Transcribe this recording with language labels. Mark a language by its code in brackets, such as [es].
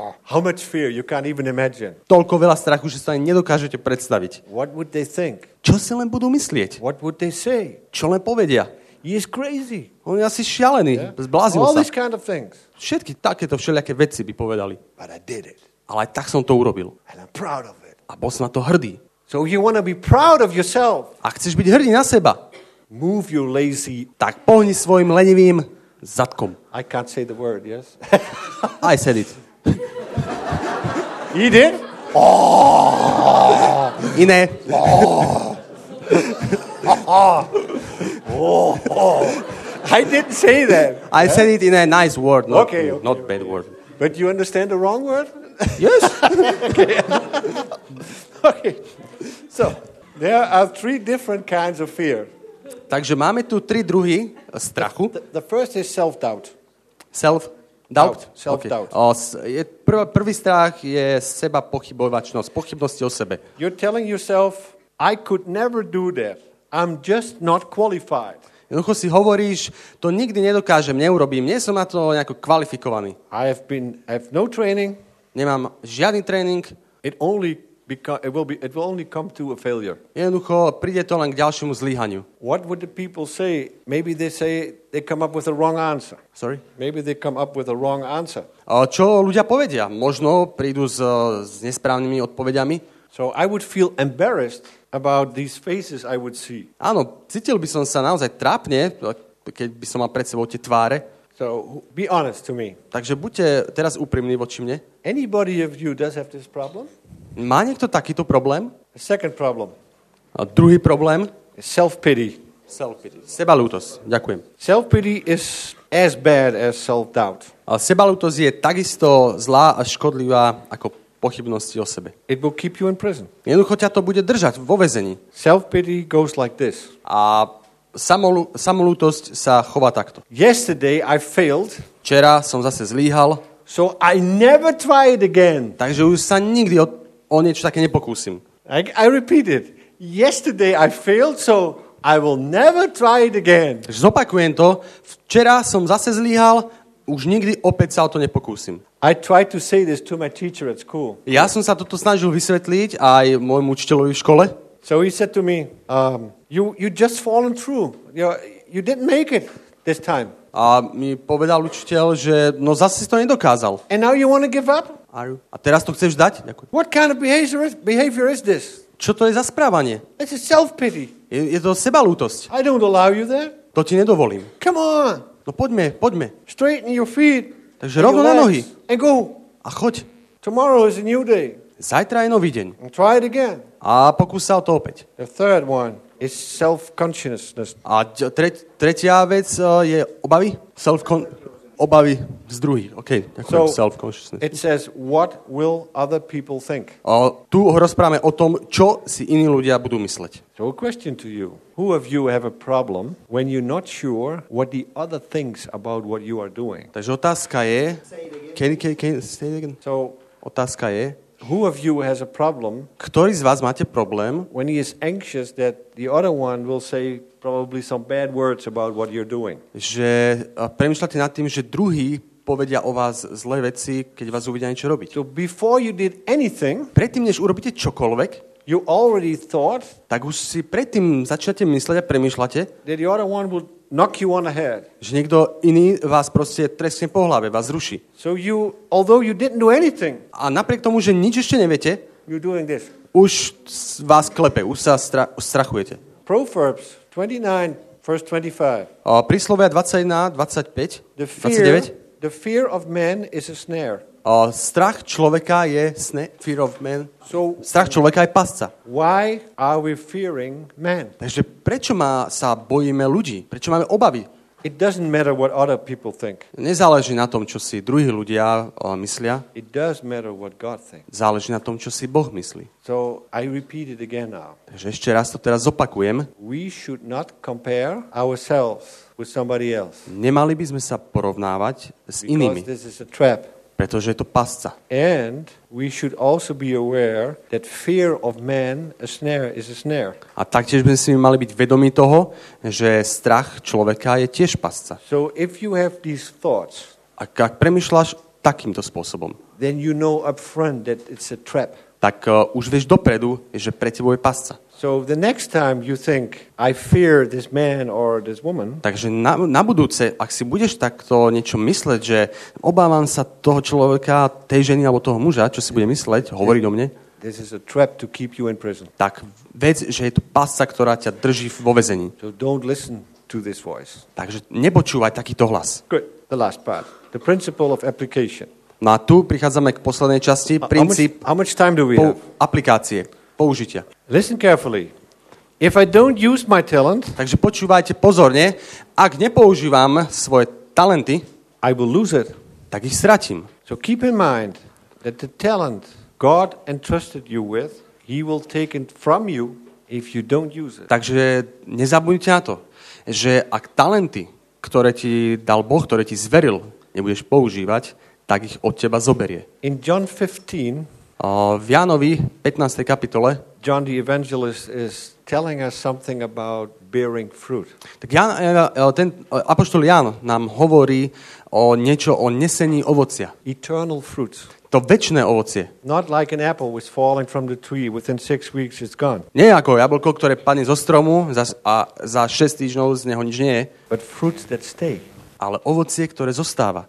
[en] How much fear you can't even imagine. [sk] Toľko veľa strachu, že sa ani nedokážete predstaviť. [en] What would they think? [sk] Čo si len budú myslieť? [en] What would they say? [sk] Čo len povedia? [en] He is crazy. [sk] On je asi šialený, yeah? Zbláznil sa. [en] All these kind of things. [sk] Všetky takéto všelijaké veci by povedali. [en] But I did it. [sk] Ale tak som to urobil. [en] And I'm proud of it. [sk] A bol som na to hrdý. [en] So you want to be proud of yourself. [sk] A chceš byť hrdý na seba. [en] Move your lazy. [sk] Tak pohni svojim lenivým zadkom. [en] I can't say the word, yes? I said it. He did? [sk] Oh! Iné. [en] I didn't say that. I said it in a nice word, not bad word. But you understand the wrong word? Yes. Okay. So, there are three different kinds of fear. [sk] Takže máme tu tri druhy strachu. [en] The first is self-doubt. Self-doubt? Self-doubt. Okay. [sk] Prvý strach je seba pochybovačnosť, pochybnosti o sebe. [en] You're telling yourself, I could never do that. I'm just not qualified. [sk] Jednoducho si hovoríš, to nikdy nedokážem, neurobím. Nie som na to nejako kvalifikovaný. [en] I have no training. [sk] Nemám žiadny tréning. [en] It will only come to a failure. [sk] Jednoducho príde to len k ďalšiemu zlyhaniu. [en] What would the people say? Maybe they say they come up with a wrong answer. Sorry? Maybe they come up with a wrong answer. [sk] A čo ľudia povedia? Možno prídu s nesprávnymi odpovediami. [en] So I would feel embarrassed about these faces I would see. [sk] Áno, cítil by som sa naozaj trápne, keď by som mal pred sebou tie tváre. [en] So be honest to me. [sk] Takže buďte teraz úprimní voči mne. [en] Anybody of you does have this problem? [sk] Má niekto takýto problém? [en] A second problem. [sk] A druhý problém? [en] Self-pity. [sk] Self-pity. Sebalútosť. Ďakujem. [en] Self-pity is as bad as self-doubt. [sk] A sebalútosť je takisto zlá a škodlivá ako pochybnosti o sebe. [en] It will keep you in prison. [sk] Jednoducho ťa to bude držať vo väzení. [en] Self-pity goes like this. [sk] A samolútosť sa chová takto. [en] Yesterday I failed. [sk] Včera som zase zlíhal. [en] So I never try it again. [sk] Takže už sa nikdy o niečo také nepokúsim. [en] I repeat it. Yesterday I failed, so I will never try it again. [sk] Zopakujem to. Včera som zase zlíhal, už nikdy opäť sa o to nepokúsim. [en] I tried to say this to my teacher at school. [sk] Ja som sa toto snažil vysvetliť aj môjmu učiteľovi v škole. [en] So he said to me, you just fallen through. You didn't make it this time. [sk] A mi povedal učiteľ, že no zase to nedokázal. [en] And now you want to give up? [sk] A teraz to chceš dať? Ďakujem. [en] What kind of behavior is this? [sk] Čo to je za správanie? [en] It's a self-pity. [sk] Je to sebalútosť. [en] I don't allow you there. [sk] To ti nedovolím. [en] Come on. [sk] No poďme, poďme. [en] Straighten your feet. [sk] Takže rovno na nohy. [en] And go. [sk] A choď. [en] Tomorrow is a new day. [sk] Zajtra je nový deň. [en] And try it again. [sk] A pokús sa o to opäť. [en] The third one is self-consciousness. [sk] A tretia vec je obavy. Obavy z druhých. OK, ďakujem. [en] So self-consciousness. It says, what will other people think? [sk] Tu rozprávame o tom, čo si iní ľudia budú mysleť. [en] So a question to you. Who of you have a problem when you're not sure what the other thinks about what you are doing? [sk] Takže otázka je... [en] Can you say it again? So, [sk] otázka je... [en] Who of you has a problem? [sk] Ktorý z vás máte problém? [en] When he is anxious that the other one will say probably some bad words about what you're doing. [sk] Že premýšľate nad tým, že druhý povedia o vás zlé veci, keď vás uvidia niečo robiť. [en] So before you did anything, [sk] predtým než urobíte čokoľvek, [en] you already thought, [sk] tak už si predtým začnete mysleť a premýšľate, [en] that the other one would knock you on the head. [sk] Že niekto iný vás proste treskne po hlave, vás zruší. [en] So you, although you didn't do anything, [sk] a napriek tomu, že nič ešte neviete, [en] you're doing this. [sk] Už vás klepe, už sa strachujete. [en] Proverbs 29:25. [sk] Príslovia 21:25. [en] The fear of man is a snare. [sk] Strach človeka je [en] fear of man. So, [sk] strach človeka je pasca. [en] Why are we fearing man? [sk] Takže prečo sa bojíme ľudí? Prečo máme obavy? [en] It doesn't matter what other people think. [sk] Nezáleží na tom, čo si druhí ľudia myslia. [en] It does matter what God thinks. [sk] Záleží na tom, čo si Boh myslí. [en] So I repeat it again now. [sk] Takže ešte raz to teraz zopakujem. [en] We should not compare ourselves with somebody else. [sk] Nemali by sme sa porovnávať s inými. [en] Because this is a trap. [sk] Pretože je to pasca. [en] And we should also be aware that fear of man, a snare is a snare. [sk] A taktiež by sme mali byť vedomí toho, že strach človeka je tiež pasca. [en] So if you have these thoughts, [sk] ak premýšľaš takýmto spôsobom, [en] then you know up front that it's a trap. [sk] Tak už vieš dopredu, že pre tebou je pasca. [en] So the next time you think I fear this man or this woman. [sk] Takže na budúce, ak si budeš takto niečo mysleť, že obávam sa toho človeka, tej ženy alebo toho muža, čo si bude mysleť, hovoriť o mne. [en] This is a trap to keep you in prison. [sk] Tak vec, že je to pasca, ktorá ťa drží vo väzení. [en] So don't listen to this voice. [sk] Takže nepočúvaj takýto hlas. [en] Good. The last part. The principle of application. [sk] No a tu prichádzame k poslednej časti, princíp aplikácie, použitia. [en] Listen carefully. If I don't use my talent, [sk] takže počúvajte pozorne, ak nepoužívam svoje talenty, [en] I will lose it. [sk] Tak ich stratím. [en] So keep in mind that the talent God entrusted you with, he will take it from you if you don't use it. [sk] Takže nezabudnite na to, že ak talenty, ktoré ti dal Boh, ktoré ti zveril, nebudeš používať, tak ich od teba zoberie. [en] In John 15, [sk] v Jánovi 15. kapitole [en] John the Evangelist is telling us something about bearing fruit. [sk] Tak ten apoštol Ján nám hovorí o niečo o nesení ovocia. [en] Eternal fruits. [sk] To večné ovocie. [en] Not like an apple which falling from the tree within 6 weeks is gone. [sk] Nie ako jablko, ktoré padne zo stromu a za 6 týždňov z neho nič nie je. [en] But fruits that stay. [sk] Ale ovocie, ktoré zostáva.